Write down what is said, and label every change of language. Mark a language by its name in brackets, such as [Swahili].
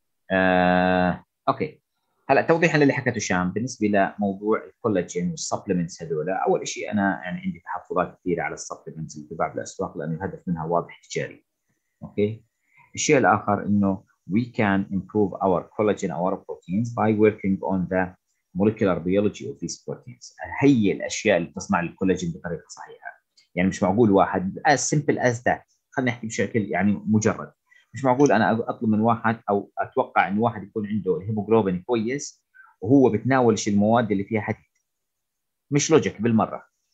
[Arabic] طيب اوكي هلا توضيحا للي حكته هشام بالنسبه لموضوع الكولاجين والسبلمنتس هذول. اول شيء انا يعني عندي تحفظات كثيره على السبلمنتس اللي تباع بالاسواق لانه الهدف منها واضح تجاري. اوكي الشيء الاخر انه [English] we can improve our collagen our proteins by working on the molecular biology of these proteins. [Arabic] هي الاشياء اللي بتصنع الكولاجين بطريقه صحيحه. يعني مش معقول واحد [English] as simple as that. [Arabic] خلينا نحكي بشكل يعني مجرد. مش معقول انا اطلب من واحد او اتوقع ان واحد يكون عنده الهيموجلوبين كويس وهو بتناولش المواد اللي فيها حديد. مش لوجيك بالمره.